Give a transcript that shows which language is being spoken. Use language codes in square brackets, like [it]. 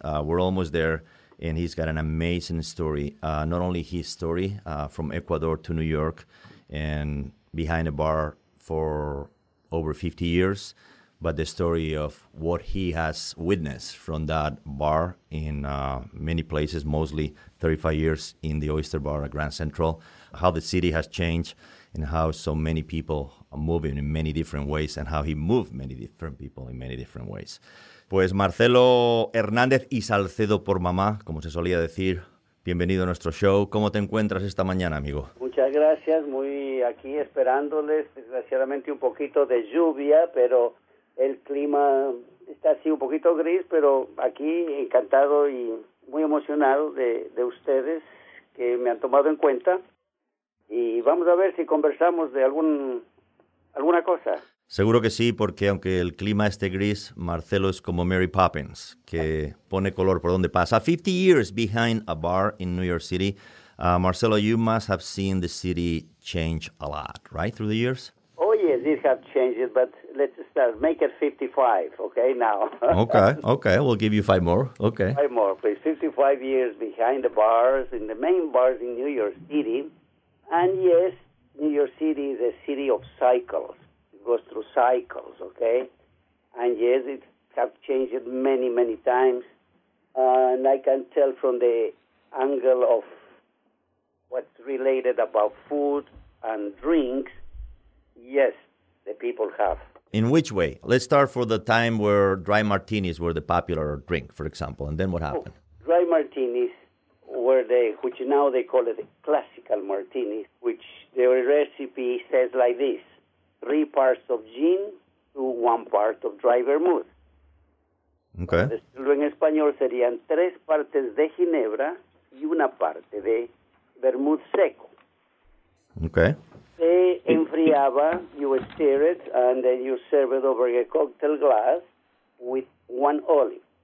[en] We're almost there. And he's got an amazing story, not only his story from Ecuador to New York and behind a bar for over 50 years, but the story of what he has witnessed from that bar in many places, mostly 35 years in the Oyster Bar at Grand Central, how the city has changed and how so many people are moving in many different ways and how he moved many different people in many different ways. [es] Pues Marcelo Hernández y Salcedo por mamá, como se solía decir. Bienvenido a nuestro show. ¿Cómo te encuentras esta mañana, amigo? Muchas gracias. Muy aquí esperándoles. Desgraciadamente un poquito de lluvia, pero el clima está así un poquito gris, pero aquí encantado y muy emocionado de ustedes que me han tomado en cuenta. Y vamos a ver si conversamos de alguna cosa. Seguro que sí, porque aunque el clima esté gris, Marcelo es como Mary Poppins, que pone color por donde pasa. [en] 50 years behind a bar in New York City. Marcelo, you must have seen the city change a lot, right, through the years? Oh, yes, it has changed, but let's start. Make it 55, okay, now. Okay, we'll give you five more, okay. Five more, please. 55 years behind the bars, in the main bars in New York City. And yes, New York City is a city of cycles. Goes through cycles, okay? And yes, it has changed many, many times. And I can tell from the angle of what's related about food and drinks, yes, the people have. In which way? Let's start for the time where dry martinis were the popular drink, for example, and then what happened? Oh, dry martinis were which now they call it the classical martinis, which their recipe says like this. 3 parts of gin to 1 part of dry vermouth. Okay. [es] En español serían 3 partes de ginebra y 1 parte de vermouth seco. [en] Okay. [es] Se enfriaba, [en] you stir it, and then you serve it over a cocktail glass with 1 olive.